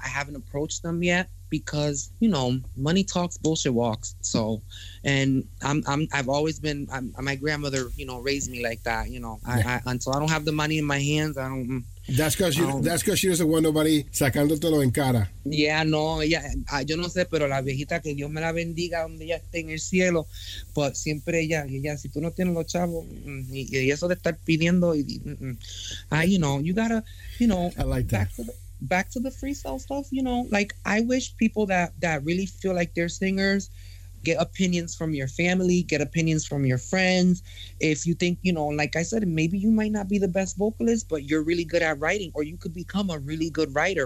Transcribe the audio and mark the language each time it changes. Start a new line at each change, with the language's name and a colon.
English: I haven't approached them yet because, you know, money talks, bullshit walks. So, and I've always been my grandmother, you know, raised me like that. You know, until I don't have the money in my hands, I don't. That's because she doesn't want nobody
Spanish: sacándotelo en cara.
English: Yeah, no, yeah.
Spanish: Yo no sé, pero la viejita, que Dios me la bendiga donde ella esté en el cielo. But siempre ella, si tú no tienes los chavos, y eso de estar pidiendo,
English: you gotta. I like that. Back to the freestyle stuff, you know. Like, I wish people that really feel like they're singers get opinions from your family, get opinions from your friends. If you think, you know, like I said, maybe you might not be the best vocalist, but you're really good at writing, or you could become a really good writer.